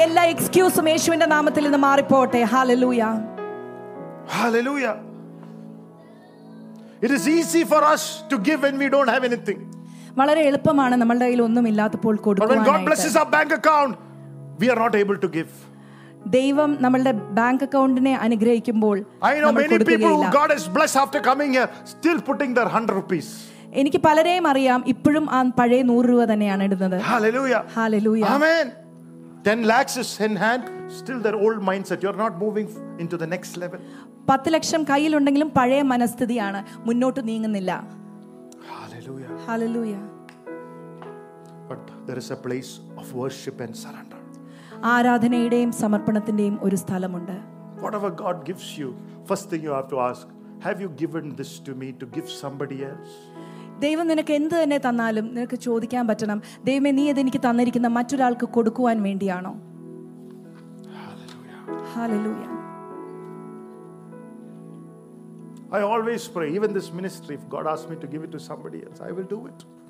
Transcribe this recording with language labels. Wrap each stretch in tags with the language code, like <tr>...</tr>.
<ml>എല്ലാ എക്സ്ക്യൂസും യേശുവിന്റെ നാമത്തിൽ നിന്ന് മാറിപ്പോട്ടെ.</ml> <en>Hallelujah. Hallelujah. It is easy for us to give when we don't have anything.</en> <ml>വളരെ എളുപ്പമാണ് നമ്മുടെ കയ്യിൽ ഒന്നും ഇല്ലാത്തപ്പോൾ കൊടുക്കാൻ.</ml> <en>God blesses our bank account. We are not able to give.</en> <ml>ദൈവം നമ്മുടെ bank അക്കൗണ്ടിനെ അനുഗ്രഹിക്കുമ്പോൾ</ml> <en>I know many people who God has blessed after coming here still putting their 100 rupees.</en> <ml>എനിക്ക് പലരെയും അറിയാം ഇപ്പോഴും ആ പഴയ 100 രൂപ തന്നെയാണ് ഇടുന്നത്.</ml> <en>Hallelujah. Hallelujah. Amen. 10 lakhs is in hand, still their old mindset, you are not moving into the next level.</en> <ml>10 ലക്ഷം കയ്യിൽ ഉണ്ടെങ്കിലും പഴയ മനസ്ഥിതിയാണ്, മുന്നോട്ട് നീങ്ങുന്നില്ല.</ml> <en>Hallelujah. Hallelujah. But there is a place of worship and surrender.</en> <ml>ആരാധനയുടെയും സമർപ്പണത്തിന്റെയും ഒരു സ്ഥലമുണ്ട്.</ml> <en>Whatever God gives you, first thing you have to ask, have you given this to me to give somebody else?</en> <ml>ദൈവം നിനക്ക് എന്തു തന്നെ തന്നാലും നിനക്ക് ചോദിക്കാൻ പറ്റണം, ദൈവമേ നീ ഇത് എനിക്ക് തന്നിരിക്കുന്ന മറ്റൊരാൾക്ക് കൊടുക്കുവാൻ വേണ്ടിയാണോ?</ml> <en>Hallelujah. Hallelujah. I always pray, even this ministry, if God asks me to give it to somebody else, I will do it.</en>